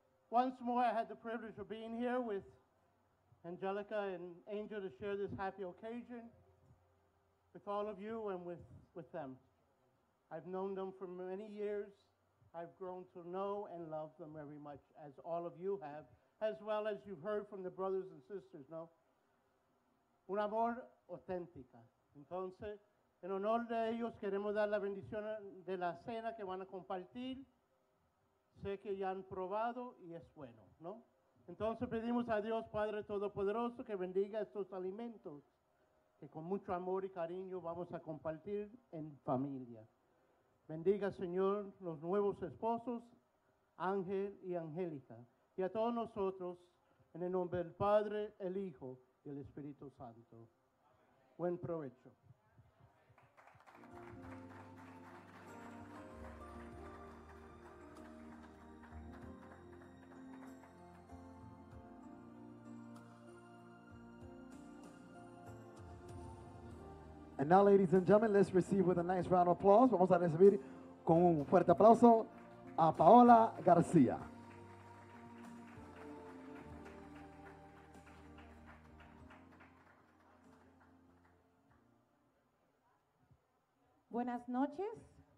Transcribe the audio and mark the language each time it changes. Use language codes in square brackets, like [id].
[en] Once more, I had the privilege of being here with Angelica and Angel to share this happy occasion with all of you and with them. I've known them for many years. I've grown to know and love them very much, as all of you have, as well as you've heard from the brothers and sisters, no? [es] Un amor auténtica. Entonces, en honor de ellos, queremos dar la bendición de la cena que van a compartir. Sé que ya han probado y es bueno, ¿no? Entonces pedimos a Dios, Padre Todopoderoso, que bendiga estos alimentos que con mucho amor y cariño vamos a compartir en familia. Bendiga, Señor, los nuevos esposos, Ángel y Angélica, y a todos nosotros, en el nombre del Padre, el Hijo y el Espíritu Santo. Buen provecho. [en] And now, ladies and gentlemen, let's receive with a nice round of applause. [es] Vamos a recibir con un fuerte aplauso a Paola García. Buenas noches.